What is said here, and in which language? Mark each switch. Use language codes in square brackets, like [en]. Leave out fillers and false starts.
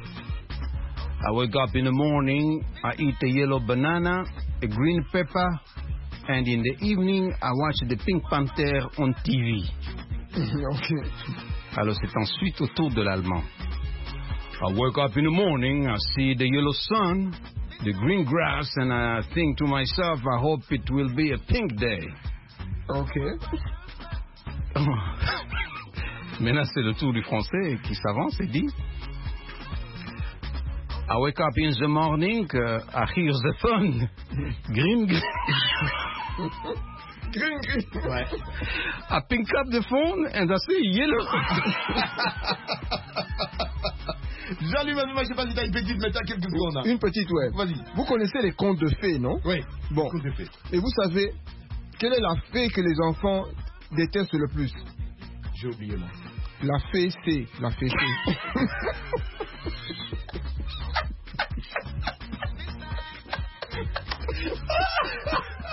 [en] « I wake up in the morning, I eat a yellow banana, a green pepper, and in the evening, I watch the Pink Panther on TV. » Okay. [fr] Alors, c'est ensuite au tour de l'allemand. [en] I wake up in the morning, I see the yellow sun, the green grass, and I think to myself, I hope it will be a pink day. Okay. [fr] Maintenant, c'est le tour du français qui s'avance et dit. [en] I wake up in the morning, I hear the sun, green grass. Green, green. Ouais. I pick up the phone, and I see yellow. [fr] Jean-Louis Mafema, je sais pas si t'as une petite, mais t'as quelques secondes. Une petite, ouais. Vas-y. Vous connaissez les contes de fées, non? Oui. Bon. Contes de fées. Et vous savez, quelle est la fée que les enfants détestent le plus? J'ai oublié, là. La fée, c'est. La fée, c'est.